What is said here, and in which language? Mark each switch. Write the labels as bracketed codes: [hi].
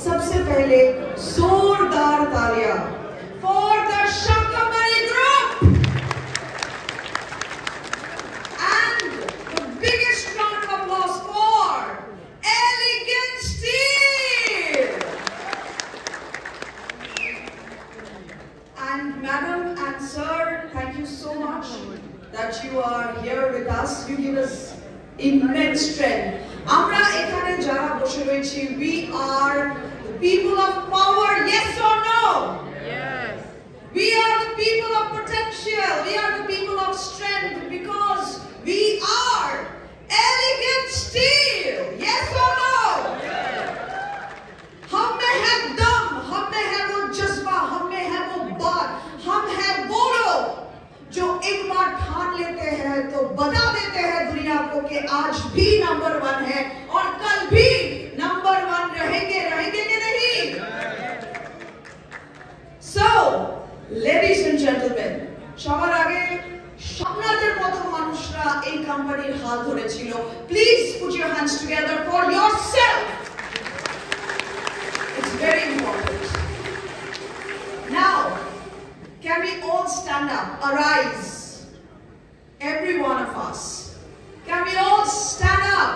[hi] सबसे पहले जोरदार तालियां [en] For the Shakambhari group and the biggest round of applause for Elegance team. And madam and sir, thank you so much that you are here with us. You give us immense strength. [bn] Amra ekhane jara boshe roichi, [en] we are the people of power, yes or no? Yes. We are the people of potential. We are the people of strength because we are elegant steel. Yes or no? Yes. [hi] Humme hai dam, humme hai wo jazba, humme hai wo baat, hum hai bolo. जो एक बार ठान लेते हैं तो बता देते हैं दुनिया को कि आज भी नंबर वन है और कल भी नंबर वन रहेंगे, रहेंगे कि नहीं। [en] so ladies and gentleman, [bn] सवार आगे সম্রাটের মত মানুষরা এই কোম্পানির হাল ধরেছিল। [en] Please put your hands together for yourself, it's very important. Now can we all stand up, arise, every one of us, can we all stand up?